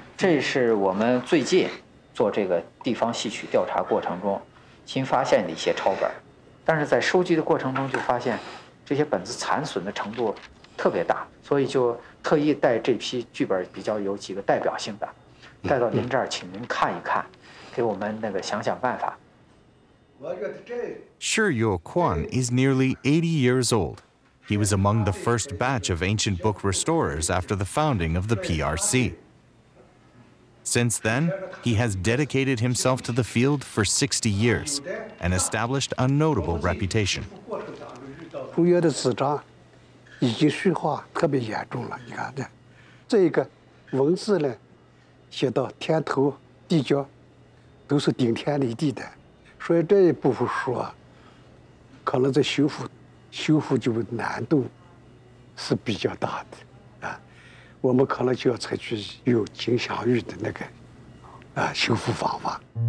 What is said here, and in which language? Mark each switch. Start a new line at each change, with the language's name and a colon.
Chinese: 这是我们最近做这个地方戏曲调查过程中新发现的一些抄本，但是在收集的过程中就发现这些本子残损的程度特别大，所以就特意带这批剧本比较有几个代表性的带到您这儿，请您看一看，给我们那个想想办法。
English: Xu Ruiqi is nearly 80 years old. He was among the first batch of ancient book restorers after the founding of the PRC. Since then, he has dedicated himself to the field for 60 years and established a notable reputation.
Chinese: Xu Ruiqi 的纸张已经虚化特别严重了。你看这，这个文字呢，写到天头地角，都是顶天立地的。所以这一部分书啊，可能在修复就难度是比较大的啊，我们可能就要采取有景祥玉的那个啊修复方法。